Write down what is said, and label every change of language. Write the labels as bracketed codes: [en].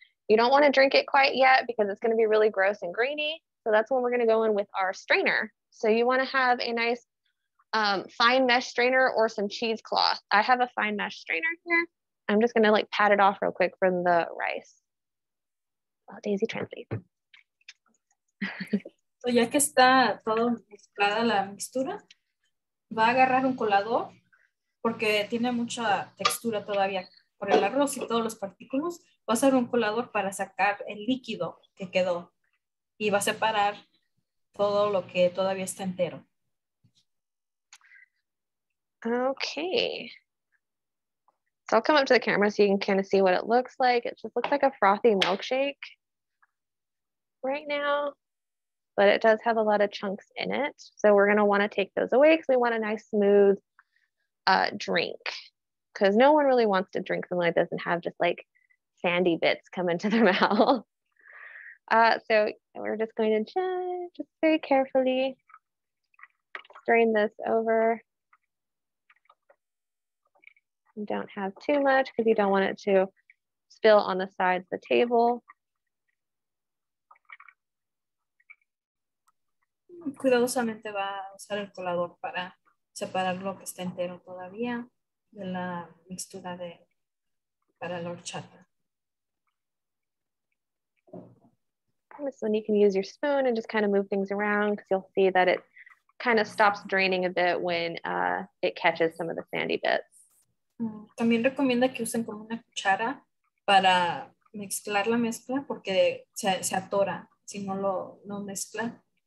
[en] You don't want to drink it quite yet because it's going to be really gross and grainy. So that's when we're going to go in with our strainer. So you want to have a nice fine mesh strainer or some cheesecloth. I have a fine mesh strainer here. I'm just going to like pat it off real quick from the rice. Oh, Daisy translate. [es] So ya que está todo mezclada la mixtura, va a agarrar un colador. Porque tiene mucha textura todavía por el arroz y todos los partículos. Va a ser un colador para sacar el líquido que quedó y va a separar todo lo que todavía está entero. [en] Okay. So I'll come up to the camera so you can kind of see what it looks like. It just looks like a frothy milkshake right now, but it does have a lot of chunks in it. So we're going to want to take those away because we want a nice smooth drink, because no one really wants to drink something like this and have just like sandy bits come into their mouth. So we're just going to just very carefully strain this over. You don't have too much because you don't want it to spill on the sides of the table. [es] Cuidadosamente va a usar el colador para separar lo que está entero todavía de la mixtura de para la horchata. [en] So you can use your spoon and just kind of move things around because you'll see that it kind of stops draining a bit when it catches some of the sandy bits. [es] También recomienda que usen como una cuchara para mezclar la mezcla porque se atora si no lo mezcla.